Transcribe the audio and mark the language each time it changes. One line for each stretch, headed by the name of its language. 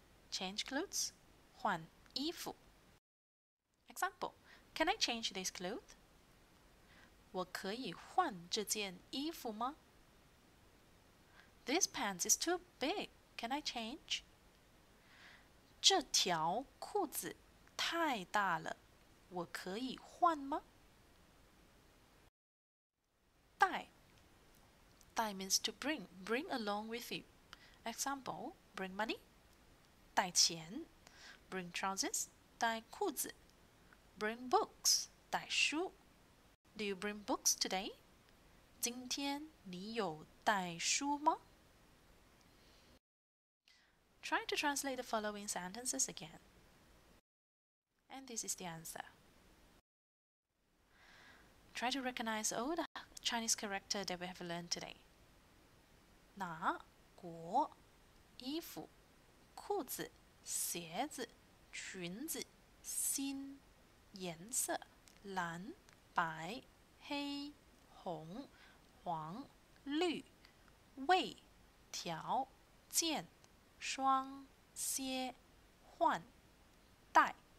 English: Change clothes,
Chinese: 换衣服.
English: Example, can I change this clothes?
Chinese: 我可以换这件衣服吗?
English: This pants is too big, can I change?
Chinese: 这条裤子 太大了,我可以换吗?
English: 带, 带 means to bring, bring along with you. Example, bring money, 带钱, bring trousers, 带裤子, bring books, 带书. Do you bring books today?
Chinese: 今天你有带书吗?
English: Try to translate the following sentences again. And this is the answer. Try to recognize all the Chinese characters that we have learned today.
Chinese: 拿, 国, 衣服, 裤子, 鞋子, 裙子, 心, 颜色, 蓝, 白, 黑, 红, 黄, 绿, 味, 条, 件, 双, 歇, 换, 带.